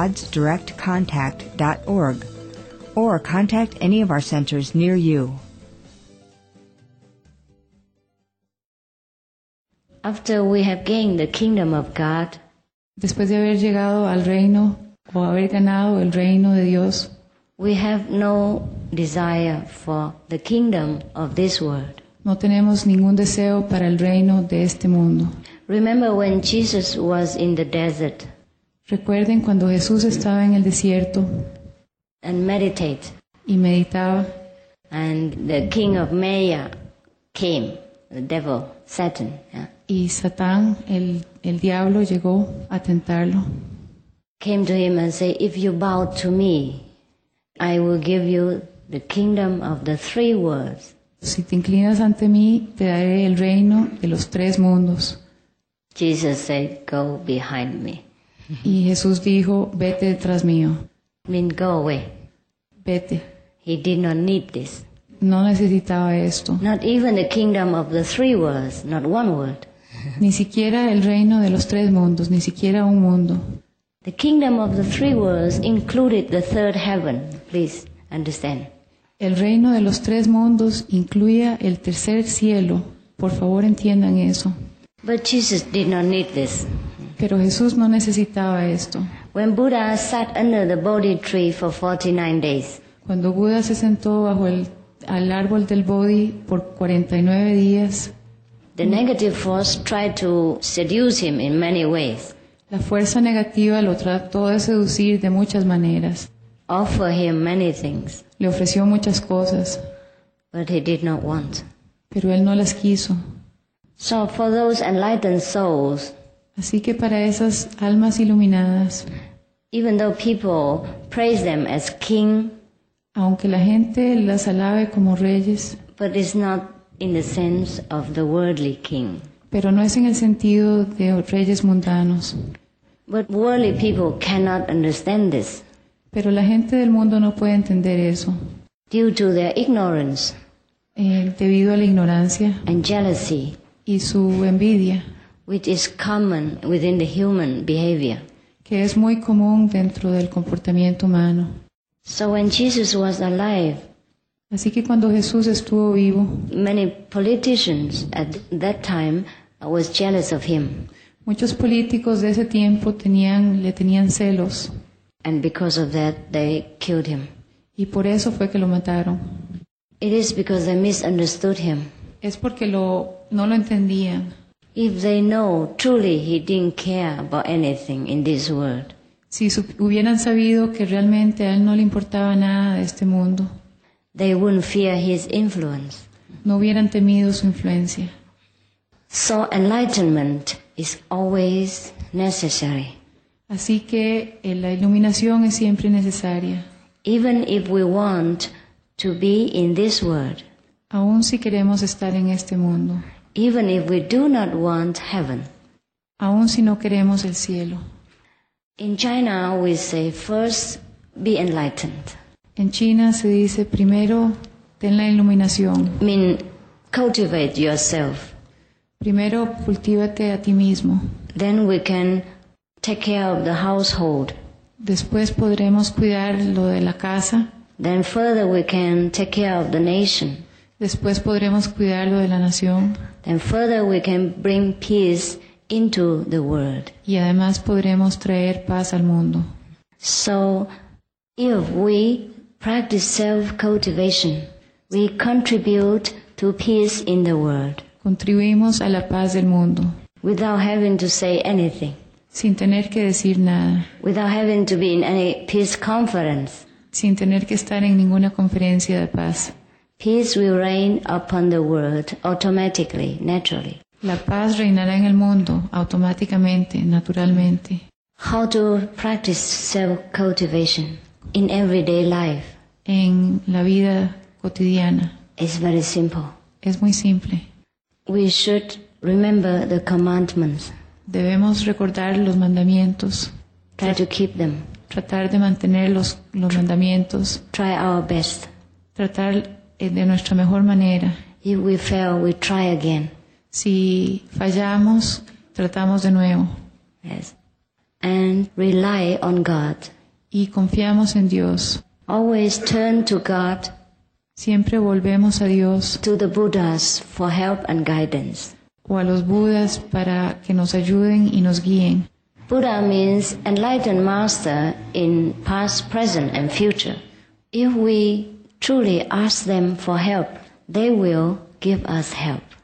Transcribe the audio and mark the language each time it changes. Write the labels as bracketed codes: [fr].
[en] www.godsdirectcontact.org or contact any of our centers near you. After we have gained the kingdom of God, [es] después de haber llegado al reino o haber ganado el reino de Dios, [en] we have no desire for the kingdom of this world. [es] No tenemos ningún deseo para el reino de este mundo. [en] Remember when Jesus was in the desert. [es] Recuerden cuando Jesús estaba en el desierto. [en] And meditate. [es] Y meditaba. [en] And the king of Maya came, the devil, Satan. Yeah. [es] Y Satán, el diablo, llegó a tentarlo. [en] Came to him and said, if you bow to me, I will give you the kingdom of the three worlds. [es] Si te inclinas ante mí, te daré el reino de los tres mundos. [en] Jesus said, go behind me. [es] Y Jesús dijo, vete detrás mío. [en] Mean go away. [es] Vete. [en] He did not need this. [es] No necesitaba esto. [en] Not even the kingdom of the three worlds, not one world. [es] Ni siquiera el reino de los tres mundos, ni siquiera un mundo. [en] The kingdom of the three worlds included the third heaven. Please understand. [es] El reino de los tres mundos incluía el tercer cielo. Por favor, entiendan eso. [en] But Jesus did not need this. [es] Pero Jesús no necesitaba esto. [en] When Buddha sat under the Bodhi tree for 49 days. [es] Cuando Buda se sentó bajo al árbol del Bodhi por 49 días. [en] The negative force tried to seduce him in many ways. [es] La fuerza negativa lo trató de seducir de muchas maneras. [en] Offer him many things. [es] Le ofreció muchas cosas. [en] But he did not want. [es] Pero él no las quiso. [en] So for those enlightened souls. [es] Así que para esas almas iluminadas. [en] Even though people praise them as king. [es] Aunque la gente las alabe como reyes. [en] But it's not in the sense of the worldly king. [es] Pero no es en el sentido de reyes mundanos. [en] But worldly people cannot understand this. [es] Pero la gente del mundo no puede entender eso. [en] Due to their ignorance. [es] Debido a la ignorancia. [en] And jealousy. [es] Y su envidia. [en] Which is common within the human behavior. [es] Que es muy común dentro del comportamiento humano. [en] So when Jesus was alive. [es] Así que cuando Jesús estuvo vivo. [en] Many politicians at that time was jealous of him. [es] Muchos políticos de ese tiempo le tenían celos. [en] And because of that, they killed him. [es] Y por eso fue que lo mataron. [en] It is because they misunderstood him. [es] Es porque no lo entendían. [en] If they know truly he didn't care about anything in this world. [es] Si hubieran sabido que realmente a él no le importaba nada de este mundo. [en] They wouldn't fear his influence. [es] No hubieran temido su influencia. [en] So enlightenment is always necessary. [es] Así que la iluminación es siempre necesaria. [en] Even if we want to be in this world. [es] Aun si queremos estar en este mundo. [en] Even if we do not want heaven. [es] Aun si no queremos el cielo. [en] In China we say first be enlightened. [es] En China se dice primero ten la iluminación. [en] Mean cultivate yourself. [es] Primero cultívate a ti mismo. [en] Then we can take care of the household. [es] Después podremos cuidar lo de la casa. [en] Then further we can take care of the nation. [es] Después podremos cuidar lo de la nación. [en] Then further we can bring peace into the world. [es] Y además podremos traer paz al mundo. [en] So if we practice self-cultivation, we contribute to peace in the world. [es] Contribuimos a la paz del mundo. [en] Without having to say anything. [es] Sin tener que decir nada. [en] Without having to be in any peace conference. [es] Sin tener que estar en ninguna conferencia de paz. [en] Peace will reign upon the world automatically, naturally. [es] La paz reinará en el mundo automáticamente, naturalmente. [en] How to practice self-cultivation in everyday life? [es] En la vida cotidiana. [en] It's very simple. [es] Es muy simple. [en] We should remember the commandments. [es] Debemos recordar los mandamientos. [en] Try to keep them. [es] Tratar de mantener los mandamientos. [en] Try our best. [es] Tratar de nuestra mejor manera. [en] If we fail, we try again. [es] Si fallamos, tratamos de nuevo. [en] Yes. and rely on God. [es] Y confiamos en Dios. [en] Always turn to God. [es] Siempre volvemos a Dios. [en] To the Buddhas for help and guidance. [es] O a los Budas para que nos ayuden y nos guíen. [en] Buddha means enlightened master in past, present and future. If we truly ask them for help, they will give us help.